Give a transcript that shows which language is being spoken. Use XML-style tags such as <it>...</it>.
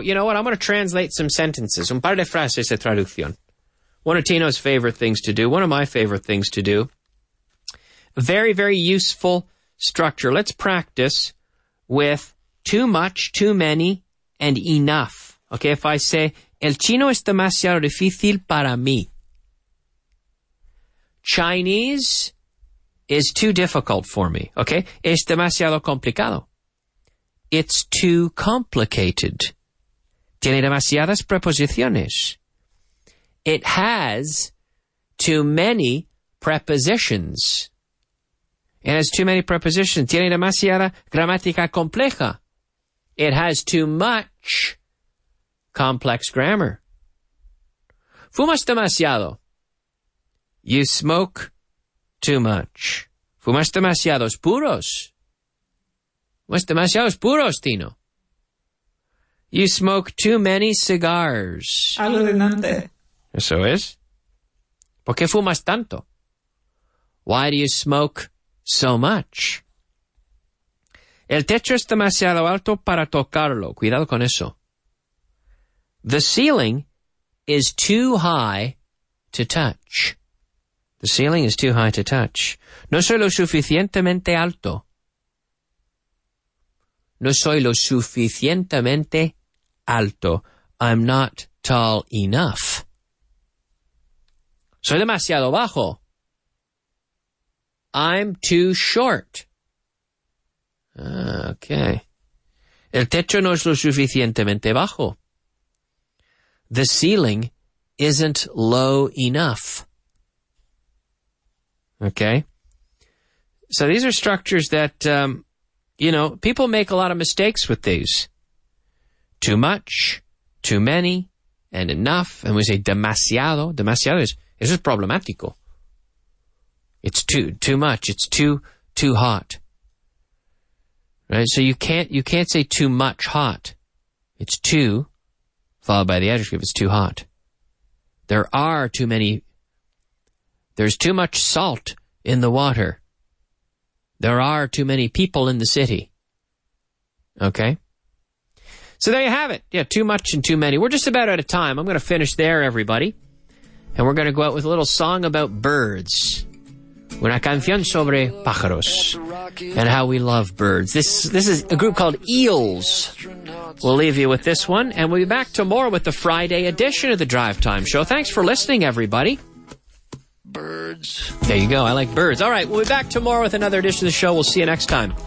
<en>You know what? I'm going to translate some sentences.</en> <es>Un par de frases de traducción.</es> <en>One of Tino's favorite things to do. One of my favorite things to do. Very, very useful structure. Let's practice with too much, too many, and enough. Okay, if I say,</en> <es>el chino es demasiado difícil para mí.</es> <en>Chinese is too difficult for me. Okay,</en> <es>es demasiado complicado.</es> <en>It's too complicated.</en> <es>Tiene demasiadas preposiciones.</es> <en>It has too many prepositions. It has too many prepositions.</en> <es>Tiene demasiada gramática compleja.</es> <en>It has too much complex grammar.</en> <es>Fumas demasiado.</es> <en>You smoke too much.</en> <es>Fumas demasiados puros. Fumas demasiados puros, Tino.</es> <en>You smoke too many cigars.</en> <es>Alucinante. Eso es. ¿Por qué fumas tanto?</es> <en>Why do you smoke so much?</en> <es>El techo es demasiado alto para tocarlo. Cuidado con eso.</es> <en>The ceiling is too high to touch. The ceiling is too high to touch.</en> <es>No soy lo suficientemente alto. No soy lo suficientemente alto.</es> <en>I'm not tall enough.</en> <es>Soy demasiado bajo.</es> <en>I'm too short. Okay.</en> <es>El techo no es lo suficientemente bajo.</es> <en>The ceiling isn't low enough. Okay. So these are structures that, people make a lot of mistakes with these. Too much, too many, and enough. And we say demasiado. Demasiado is just problematico. It's too much. It's too hot. Right? So you can't say too much hot. It's too, followed by the adjective, it's too hot. There are too many. There's too much salt in the water. There are too many people in the city. Okay? So there you have it. Yeah, too much and too many. We're just about out of time. I'm going to finish there, everybody. And we're going to go out with a little song about birds.</en> <es>Una canción sobre pájaros.</es> <en>And how we love birds. This is a group called Eels. We'll leave you with this one. And we'll be back tomorrow with the Friday edition of the Drive Time Show. Thanks for listening, everybody. Birds. There you go. I like birds. All right. We'll be back tomorrow with another edition of the show. We'll see you next time.</en>